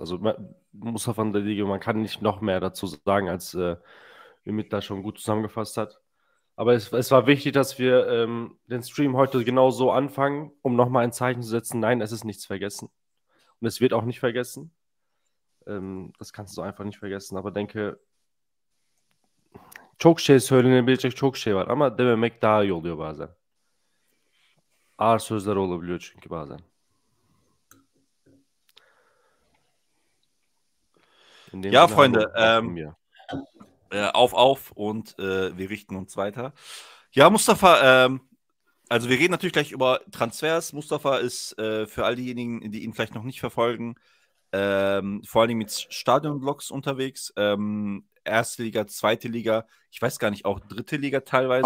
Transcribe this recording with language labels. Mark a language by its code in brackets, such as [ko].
[de] Also Mustafa Ndadiye, man kann nicht noch mehr dazu sagen, als Ümit da schon gut zusammengefasst hat. Aber es war wichtig, dass wir den Stream heute genau so anfangen, um nochmal ein Zeichen zu setzen. Nein, es ist nichts vergessen. Und es wird auch nicht vergessen. Das kannst du einfach nicht vergessen, aber denke, [tr] çok şey söylenebilecek çok şey var ama dememek daha iyi oluyor bazen. Ağır sözler olabiliyor çünkü bazen. [de] Ja, Freunde, auf und wir richten uns weiter. Ja, Mustafa, also wir reden natürlich gleich über Transfers. Mustafa ist für all diejenigen, die ihn vielleicht noch nicht verfolgen, vor allen Dingen mit Stadionblogs unterwegs, erste Liga, zweite Liga, ich weiß gar nicht, auch dritte Liga teilweise.